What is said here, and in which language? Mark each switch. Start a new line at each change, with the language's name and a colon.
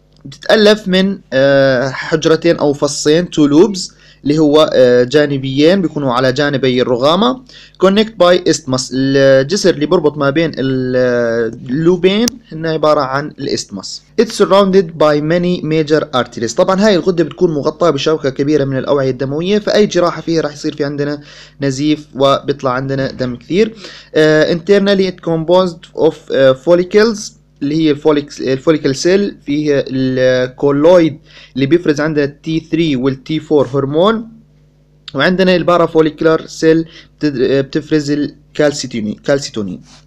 Arabic: تتألف من حجرتين أو فصين، two lobes اللي هو جانبيين بيكونوا على جانبي الرغامة،
English: connect by isthmus.
Arabic: الجسر اللي بربط ما بين اللوبين هنا عبارة عن الاستمس.
English: It's surrounded by many major arteries.
Arabic: طبعا هاي الغدة بتكون مغطاة بشبكة كبيرة من الأوعية الدموية، فأي جراحة فيها راح يصير في عندنا نزيف وبيطلع عندنا دم كثير.
English: Internally it composed of follicles
Arabic: اللي هي الفوليكل سيل، فيه الكولويد اللي بيفرز عندنا T3 والT4 هرمون، وعندنا البارا فوليكلر سيل بتفرز الكالسيتونين.